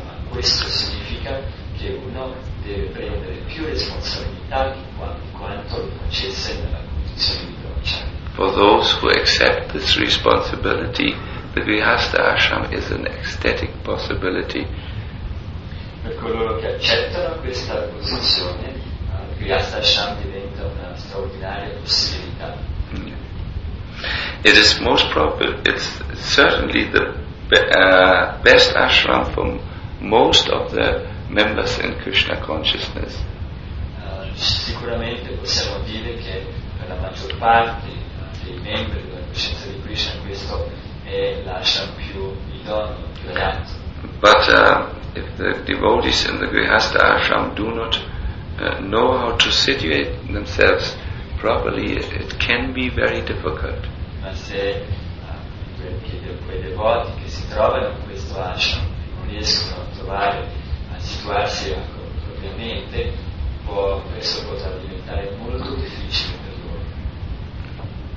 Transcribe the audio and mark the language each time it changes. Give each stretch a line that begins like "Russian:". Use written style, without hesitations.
Italian: Questo significa che uno deve prendere più responsabilità di quanto lo facesse nella condizione di doccia.
English: For those who accept this responsibility, the Grihastha Ashram is an ecstatic possibility.
Italian: Per coloro che accettano questa posizione, il Grihastha Ashram diventa una straordinaria possibilità.
English: It is most probable, it's certainly the best ashram for most of the members in Krishna consciousness.
Italian: Sicuramente possiamo dire che per la maggior parte dei membri della coscienza di Krishna questo è l'ashram più idoneo, più adatto.
English: But if the devotees in the Grihastha ashram do not know how to situate themselves properly, it can be very difficult.
Italian: Ma se quei devoti che si trovano in questo ashram non riescono a trovare, a situarsi appropriatamente, questo potrà diventare molto difficile per loro.